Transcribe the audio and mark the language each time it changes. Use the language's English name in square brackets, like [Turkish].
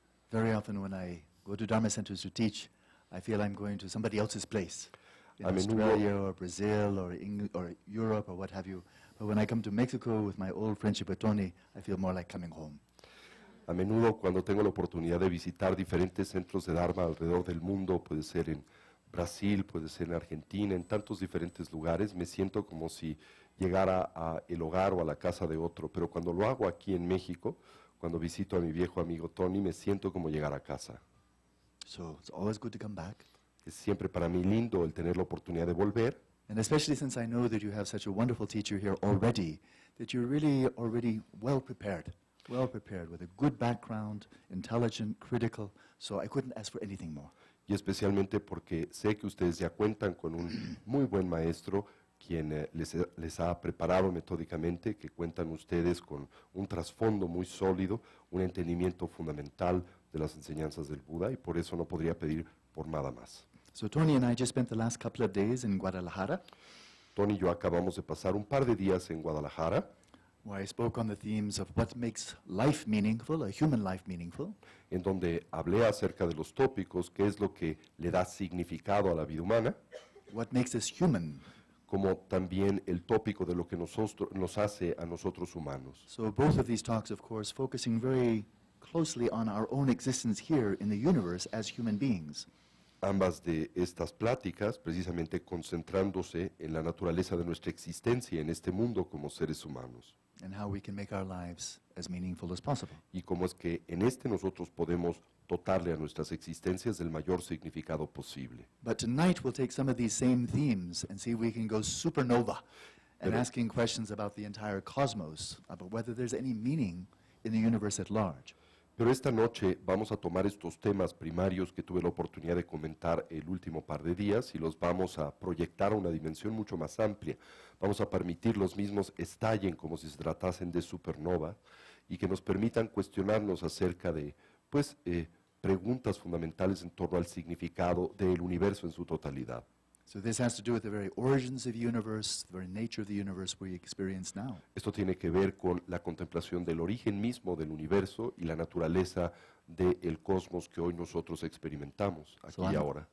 [English] Very often when I go to Dharma centers to teach, I feel I'm going to somebody else's place, in Australia or Brazil or Europe or what have you. But when I come to Mexico with my old friendship with Tony, I feel more like coming home. [Spanish] A menudo cuando tengo la oportunidad de visitar diferentes centros de Dharma alrededor del mundo, puede ser en Brasil, puede ser en Argentina, en tantos diferentes lugares, me siento como si llegara a el hogar o a la casa de otro. Pero cuando lo hago aquí en México, cuando visito a mi viejo amigo Tony, me siento como llegar a casa. [English] So it's always good to come back. [Spanish] Es siempre para mí lindo el tener la oportunidad de volver. [English] And especially since I know that you have such a wonderful teacher here already, that you're really already well prepared, with a good background, intelligent, critical, so I couldn't ask for anything more. [Spanish] Y especialmente porque sé que ustedes ya cuentan con un muy buen maestro, quien les ha preparado metódicamente, que cuentan ustedes con un trasfondo muy sólido, un entendimiento fundamental de las enseñanzas del Buda, y por eso no podría pedir por nada más. [English] So Tony and I just spent the last couple of days in Guadalajara. [Spanish] Tony y yo acabamos de pasar un par de días en Guadalajara. [English] Where I spoke on the themes of what makes life meaningful, a human life meaningful. [Spanish] En donde hablé acerca de los tópicos, qué es lo que le da significado a la vida humana. [English] What makes us human. [Spanish] Como también el tópico de lo que nos hace a nosotros humanos. [English] So both of these talks, of course, focusing very closely on our own existence here in the universe as human beings. [Spanish] Ambas de estas pláticas, precisamente concentrándose en la naturaleza de nuestra existencia en este mundo como seres humanos. [English] And how we can make our lives as meaningful as possible. [Spanish] Y cómo es que en este nosotros podemos dotarle a nuestras existencias del mayor significado posible. [English] But tonight we'll take some of these same themes and see if we can go supernova and asking questions about the entire cosmos, about whether there's any meaning in the universe at large. [Spanish] Pero esta noche vamos a tomar estos temas primarios que tuve la oportunidad de comentar el último par de días y los vamos a proyectar a una dimensión mucho más amplia. Vamos a permitir los mismos estallen como si se tratasen de supernova y que nos permitan cuestionarnos acerca de, pues, preguntas fundamentales en torno al significado del universo en su totalidad. [English] So this has to do with the very origins of the universe, the very nature of the universe we experience now. [Spanish] Esto tiene que ver con la contemplación del origen mismo del universo y la naturaleza del cosmos que hoy nosotros experimentamos aquí y ahora.